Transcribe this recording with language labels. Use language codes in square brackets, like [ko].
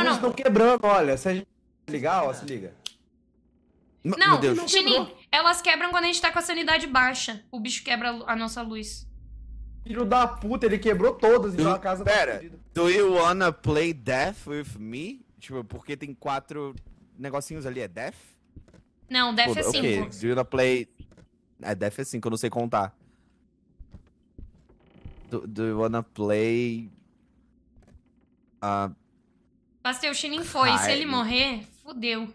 [pt] As luzes estão quebrando, olha. Se a gente ligar, ó, se liga. Não, meu Deus. Não Chini, elas quebram quando a gente tá com a sanidade baixa. O bicho quebra a nossa luz. Filho da puta, ele quebrou todas, então a casa pera, tá [en] do you wanna play death with me? [pt] Tipo, porque tem quatro negocinhos ali, é death? Não, death é cinco. [en] Do you wanna play... [pt] É, death é cinco, eu não sei contar. [en] Do you wanna play... [pt] Bastei, o Chinin foi. Se ele morrer, fodeu.